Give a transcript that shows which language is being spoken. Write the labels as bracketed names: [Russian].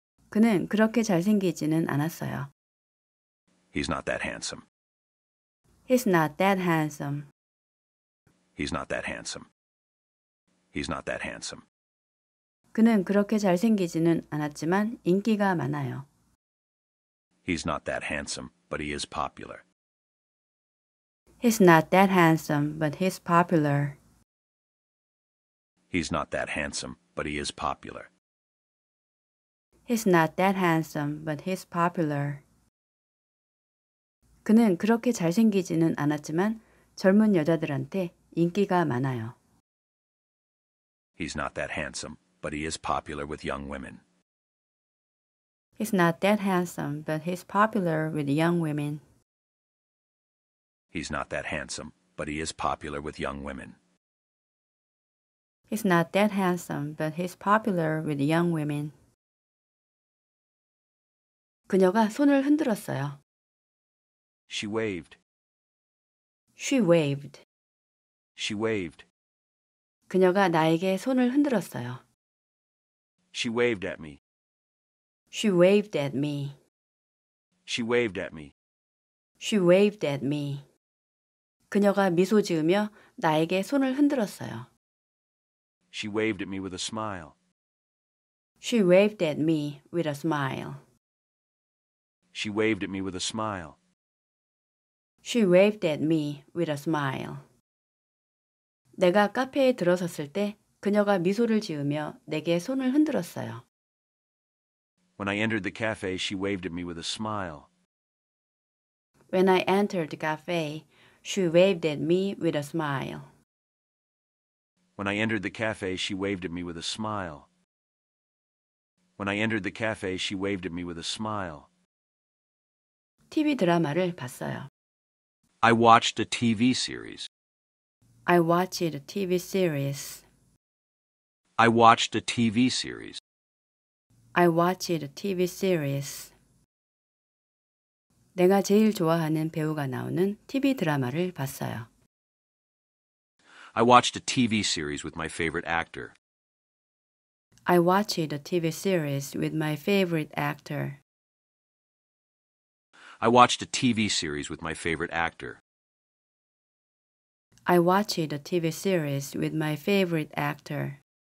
[Korean] 그는 그렇게 잘생기지는 않았어요. [English] He's not that handsome. He's not that handsome. He's not that handsome. He's not that handsome. [Korean] 그는 그렇게 잘생기지는 않았지만 인기가 많아요. [English] He's not that handsome, but he is popular. He's not that handsome, but he's popular. He's not that handsome, but he is popular. He's not that handsome, but he's popular. [Korean] 그는 그렇게 잘생기지는 않았지만 젊은 여자들한테 인기가 많아요. [English] He's not that handsome, but he is popular with young women. He's not that handsome, but he's popular with young women. He's not that handsome, but he is popular with young women. He's not that handsome, but he's popular with young women. [Korean] 그녀가 손을 흔들었어요. [English] She waved. She waved. She waved. [Korean] 그녀가 나에게 손을 흔들었어요. [English] She waved at me. She waved at me. She waved at me. She waved at me. [Korean] 그녀가 미소 지으며 나에게 손을 흔들었어요. [English] She waved at me with a smile. She waved at me with a smile. She waved at me with a smile. She waved at me with a smile. [Korean] 내가 카페에 들어섰을 때 그녀가 미소를 지으며 내게 손을 흔들었어요. [English] When I entered the cafe, she waved at me with a smile. When I entered the cafe, she waved at me with a smile. When I entered the cafe, she waved at me with a smile. When I entered the cafe, she waved at me with a smile. [Korean] TV 드라마를 봤어요. [English] I watched a TV series. I watched a TV series. I watched a TV series. I watched a TV series. [Korean] 내가 제일 좋아하는 배우가 나오는 TV 드라마를 봤어요. [English] I watched a TV series with my favorite actor. I watched a TV series with my favorite actor. I watched a TV series with my favorite actor. I watched a TV series with my favorite actor.